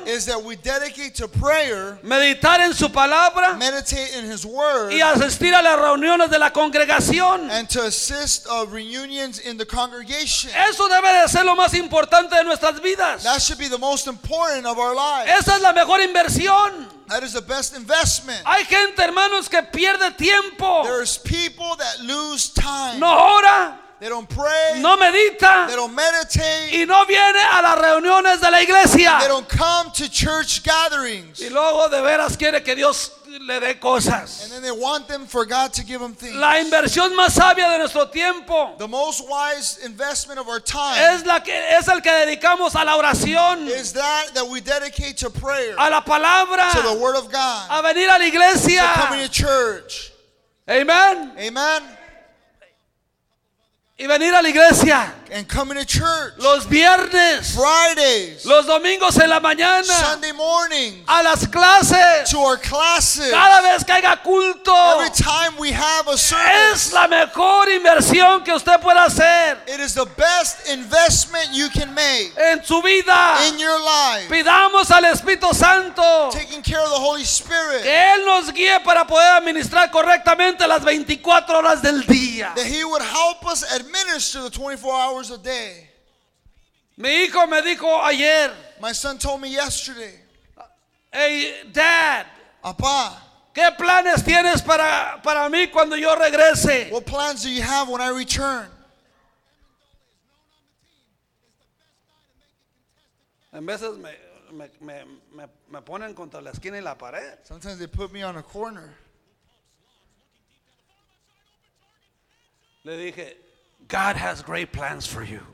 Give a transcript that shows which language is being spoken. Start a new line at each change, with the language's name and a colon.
English: is that we dedicate to prayer,
Spanish: meditar en su palabra,
English: meditate in his word,
Spanish: y asistir a las reuniones de la congregación,
English: and to assist reunions in the congregation.
Spanish: Eso debe de ser lo más importante de nuestras vidas.
English: That should be the most important of our lives.
Spanish: Esa es la mejor inversión.
English: That is the best investment.
Spanish: Hay gente, hermanos, que pierde tiempo.
English: There's people that lose time.
Spanish: No ora.
English: They don't pray.
Spanish: No medita.
English: They don't meditate.
Spanish: Y no viene a las reuniones de la iglesia.
English: They don't come to church gatherings.
Spanish: Y luego de veras quiere que Dios le dé cosas.
English: And then they want them for God to give them things.
Spanish: La inversión más sabia de nuestro tiempo.
English: The most wise investment of our time.
Spanish: Es el que dedicamos a la oración.
English: Is that we dedicate to prayer.
Spanish: A la palabra.
English: To the word of God.
Spanish: A venir a la iglesia.
English: To coming to church.
Spanish: Amen.
English: Amen.
Spanish: Y venir a la iglesia.
English: And coming to church.
Spanish: Los viernes.
English: Fridays.
Spanish: Los domingos en la mañana.
English: Sunday morning.
Spanish: A las clases.
English: To our classes.
Spanish: Cada vez que haya culto.
English: Every time we have a service.
Spanish: Es la mejor inversión que usted puede hacer.
English: It is the best investment you can make.
Spanish: En su vida.
English: In your life.
Spanish: Pidamos al Espíritu Santo.
English: Taking care of the Holy Spirit.
Spanish: Que Él nos guíe para poder administrar correctamente las 24 horas del día.
English: That He would help us administer the 24 hours a day.
Spanish: Mi hijo me dijo ayer.
English: My son told me yesterday. Hey, Dad.
Spanish: Papá. ¿Qué planes tienes para mí cuando yo regrese?
English: What plans do you have when I return?
Spanish: En veces me ponen contra la esquina y la pared.
English: Sometimes they put me on a corner.
Spanish: Le dije,
English: God has great plans for you.